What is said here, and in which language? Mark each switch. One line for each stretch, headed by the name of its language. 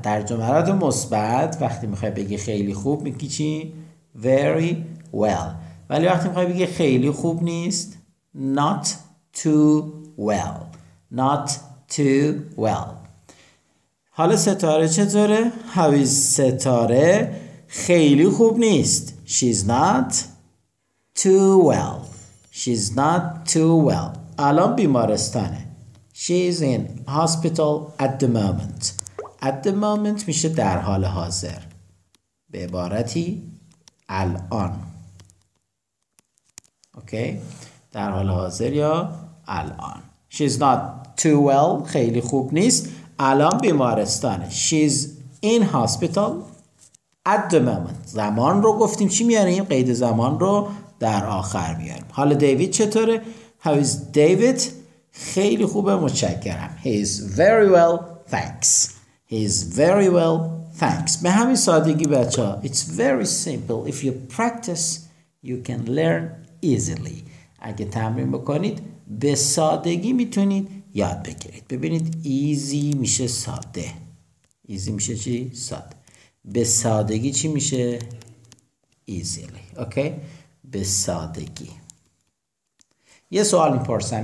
Persian: در جملات مثبت وقتی میخوای بگی خیلی خوب میگی چی؟
English: Very well.
Persian: ولی وقتی میخوای بگی خیلی خوب نیست
English: not too well. Not too well.
Persian: حالا ستاره چطوره؟
English: How is
Persian: ستاره؟ خیلی خوب نیست.
English: She's not too well. She's not too well.
Persian: الان بیمارستانه.
English: She is in hospital at the moment.
Persian: At the moment میشه در حال حاضر. به عبارتی الان. Okay. در حال حاضر یا الان.
English: She's not too well.
Persian: خیلی خوب نیست. الان بیمارستانه.
English: She's in hospital at the moment.
Persian: زمان رو گفتیم چی میاریم؟ قید زمان رو در آخر میاریم. حالا دیوید چطوره؟
English: How is David?
Persian: خیلی خوبه، متشکرم.
English: He's very well, thanks. He's very well, thanks.
Persian: به همین سادگی بچه ها.
English: It's very simple. If you practice, you can learn easily.
Persian: اگه تمرین بکنید به سادگی میتونید یاد بگیرید. ببینید easy میشه ساده. Easy میشه چی؟ ساده. به سادگی چی میشه؟ Easily. Okay? به سادگی. یه سوال میپرسم.